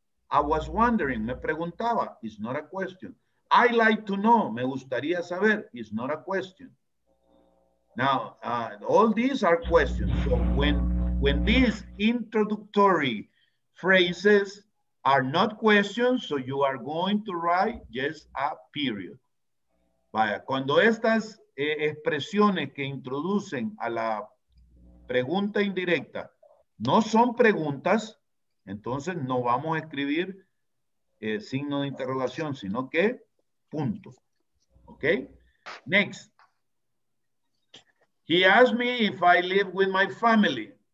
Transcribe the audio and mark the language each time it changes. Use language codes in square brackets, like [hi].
[en] I was wondering, [es] me preguntaba, [en] it's not a question. I like to know, [es] me gustaría saber, [en] it's not a question. Now, all these are questions. So when these introductory phrases are not questions, so you are going to write just a period. [es] Vaya, cuando estas expresiones que introducen a la pregunta indirecta no son preguntas, entonces no vamos a escribir signo de interrogación, sino que punto. [en] Okay? Next. He asked me if I live with my family.